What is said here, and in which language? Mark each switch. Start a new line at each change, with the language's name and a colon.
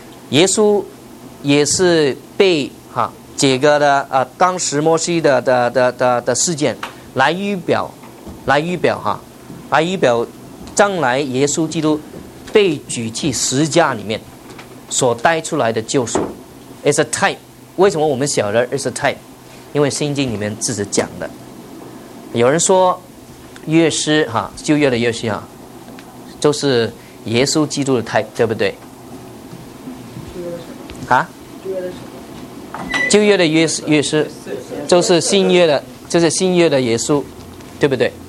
Chinese: 耶稣也是被哈这个的啊，当时摩西的事件来预表哈，来预表将来耶稣基督被举起十字架里面所带出来的救赎。
English: It's a type，
Chinese: 为什么我们晓得
English: It's a type？
Chinese: 因为圣经里面自己讲的。有人说约师哈，旧约的约师哈，就是耶稣基督的 type， 对不对？啊，旧约的约师就是新约的，就是新约的耶稣，对不对？